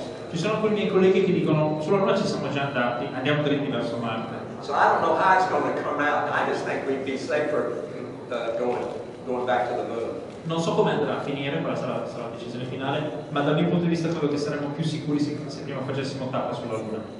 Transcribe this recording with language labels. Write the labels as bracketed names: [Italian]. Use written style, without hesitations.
[Italian] Ci sono alcuni miei colleghi che dicono sulla Luna ci siamo già andati, andiamo dritti verso Marte. [English] So I don't know how it's going to come out, I just think we'd be safer going back to the moon. [Italian] Non so come andrà a finire, quella sarà la decisione finale, ma dal mio punto di vista credo che saremmo più sicuri se prima facessimo tappa sulla Luna.